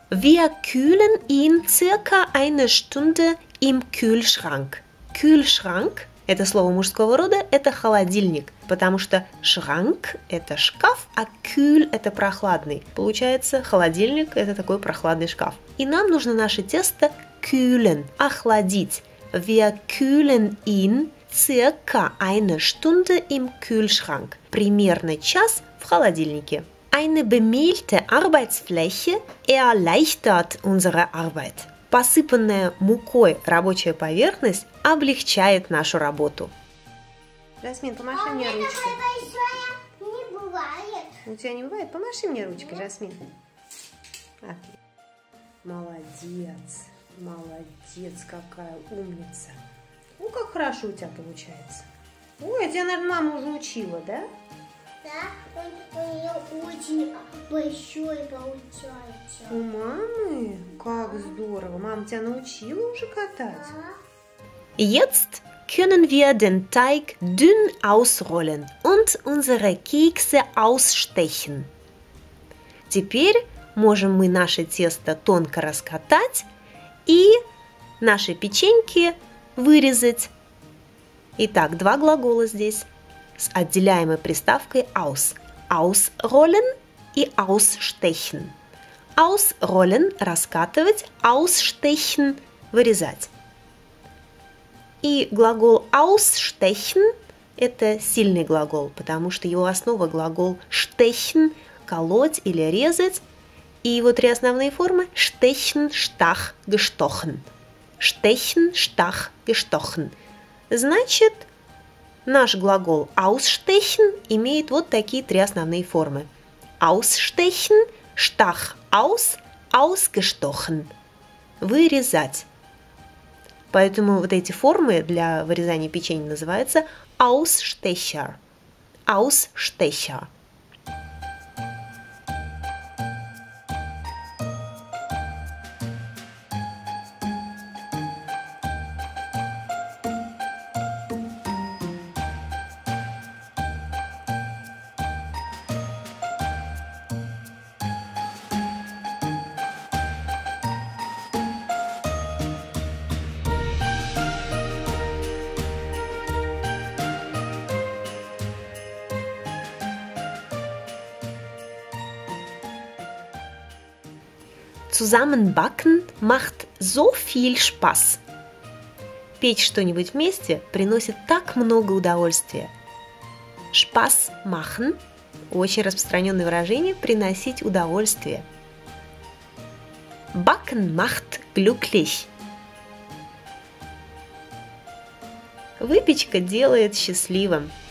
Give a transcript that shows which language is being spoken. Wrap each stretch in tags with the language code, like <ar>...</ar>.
<de>Wir kühlen ihn circa eine Stunde im Kühlschrank. Kühlschrank</de> <ru>Это слово мужского рода, это холодильник, потому что Schrank – это шкаф, а Kühl – это прохладный. Получается, холодильник – это такой прохладный шкаф. И нам нужно наше тесто kühlen – охладить.</ru> <de>Wir kühlen ihn circa eine Stunde im Kühlschrank.</de> <ru>Примерно час в холодильнике.</ru> <de>Eine bemehlte Arbeitsfläche erleichtert unsere Arbeit.</de> <ru>Посыпанная мукой рабочая поверхность облегчает нашу работу. Жасмин, помаши мне ручкой. У меня такая большая не бывает. У тебя не бывает? Помаши мне ручкой, нет. Жасмин. Молодец. Молодец, какая умница. Ну, как хорошо у тебя получается. Ой, тебя, наверное, мама уже учила, да? Да, он очень большой получается. У мамы? Как здорово. Мама тебя научила уже катать? Да.</ru> <de>Jetzt können wir den Teig dünn ausrollen und unsere Kekse ausstechen.</de> <ru>Теперь можем мы наше тесто тонко раскатать и наши печеньки вырезать. Итак, два глагола здесь с отделяемой приставкой aus.</ru> <de>Ausrollen и ausstechen.</de> <ru>Ausrollen – раскатывать, ausstechen – вырезать. И глагол ausstechen – это сильный глагол, потому что его основа – глагол stechen – колоть или резать. И его три основные формы –</ru> <de>stechen, stach, gestochen. Stechen, stach, gestochen.</de> <ru>Значит, наш глагол ausstechen имеет вот такие три основные формы.</ru> <de>Ausstechen, stach, aus, ausgestochen.</de> <ru>Вырезать. Поэтому вот эти формы для вырезания печенья называются ausstecher.</ru> <de>Ausstecher. Zusammenbacken macht so viel Spaß.</de> <ru>Печь что-нибудь вместе приносит так много удовольствия.</ru> <de>Spaß machen</de> <ru>– очень распространенное выражение «приносить удовольствие».</ru> <de>Backen macht glücklich.</de> <ru>Выпечка делает счастливым.</ru>